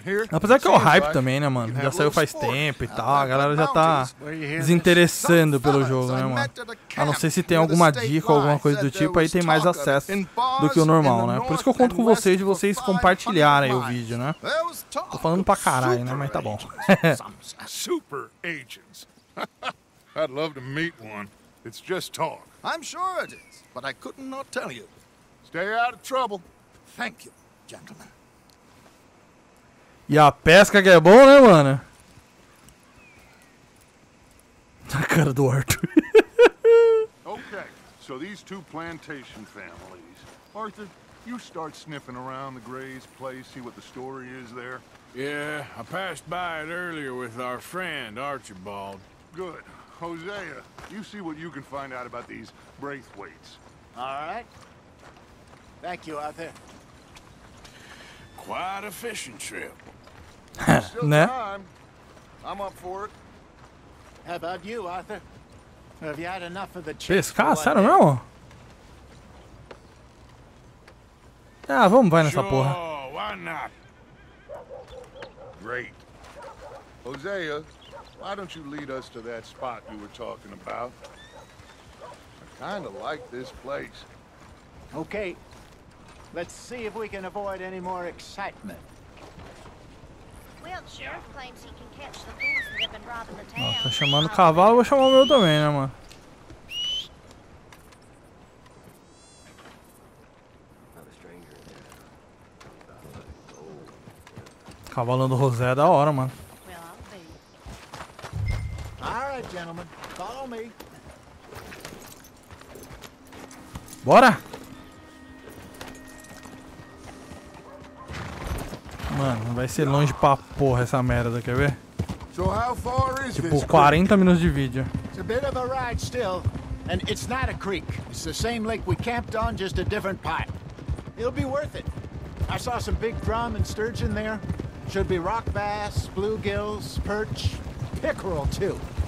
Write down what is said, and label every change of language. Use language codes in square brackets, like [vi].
[pt] Apesar que é o hype também, né, mano? Já saiu faz tempo e tal, a galera já tá desinteressando pelo jogo, né, mano? A não ser se tem alguma dica ou alguma coisa do tipo, aí tem mais acesso do que o normal, né? Por isso que eu conto com vocês de vocês compartilharem aí o vídeo, né? Tô falando pra caralho, né? Mas tá bom. [en] Super agents. I'd love to meet one. It's just talk. I'm sure it is, but I couldn't not tell you. It's Stay out of trouble. Thank you, gentlemen. [pt] E a pesca que é bom, né, mano? Na cara do Arthur. [en] Okay, so these two plantation families. Arthur, you start sniffing around the Gray's place, see what the story is there. Yeah, I passed by it earlier with our friend, Archibald. Good. Hosea, you see what you can find out about these Braithwaites. All right. Thank you, Arthur. Quite a fishing trip. Still nah. Time. I'm up for it. How about you, Arthur? Have you had enough of the chips? I don't know. [pt] Ah, vamos vai nessa [en] sure, [pt] porra. [en] Why not? Great. Hosea, why don't you lead us to that spot you were talking about? I kind of like this place. Okay. Let's see if we can avoid any more excitement. Well, Sheriff claims he can catch the fools that have been robbing the town. [pt] Tá chamando o cavalo, vou chamar o meu também, né, mano? Cavalo do José é da hora, mano. [en] All right, gentlemen, follow me. [pt] Bora! Mano, vai ser longe pra porra essa merda, quer ver? [en] So how far is [pt] tipo, 40 minutos de vídeo. [en] It's a bit of a ride still, and it's not a creek. It's the same lake we camped on, just a different part. It'll be worth it. I saw some big drum and sturgeon there. Should be rock bass, bluegills, perch, pickerel too.